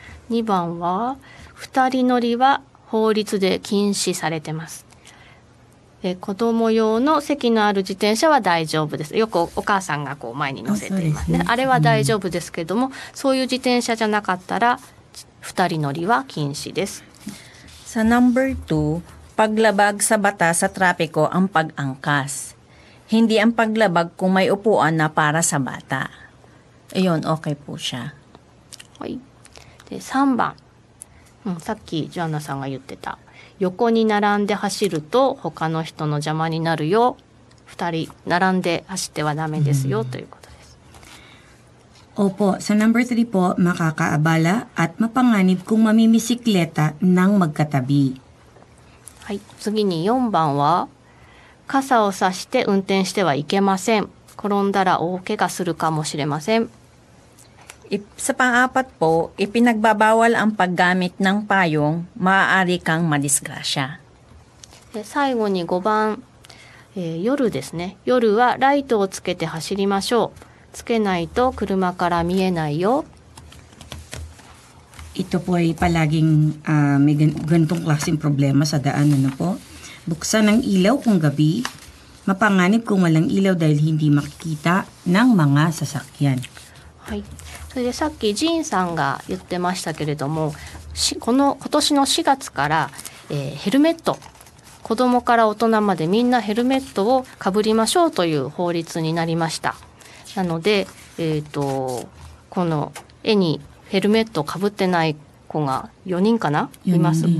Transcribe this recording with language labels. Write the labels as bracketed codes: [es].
[ja] 2番は、2人乗りは法律で禁止されてます。子供用の席のある自転車は大丈夫です。よくお母さんがこう前に乗せています ね。あれは大丈夫ですけども、そういう自転車じゃなかったら2人乗りは禁止です。 [tl] さあ、number 2、paglabag sa bata sa trapiko ang pag-angkas. Hindi ang paglabag kung may upuan na para sa bata. Ayun, okay po siya. [ja] Okay. De, 3番. さっきジョアナさんが言ってた。横に並んで走ると他の人の邪魔になるよ。 2人並んで走ってはダメですよ、ということです。 [tl] Opo, sa number 3 po, makakaabala at mapanganib kung mamimisikleta ng magkatabi. [ja] はい、次に4番は、傘を差して運転してはいけません。転んだら大怪我するかもしれません。 [tl] Sa pang-apat po, ipinagbabawal ang paggamit ng payong, maaari kang madisgrasya. [ja] 最後に5番。夜ですね。夜はライトをつけて走りましょう。つけないと車から見えないよ。 [tl] Ito po ay palaging may ganitong klaseng problema sa daan, ano po. Buksan ang ilaw kung gabi, mapanganib kung walang ilaw dahil hindi makikita ng mga sasakyan. Hay. [ja] それでさっきジンさんが言ってましたけれども、この今年の4月から、ヘルメット、子供から大人までみんなヘルメットをかぶりましょうという法律になりました。なので、この絵にヘルメットをかぶってない子が4人かな、います。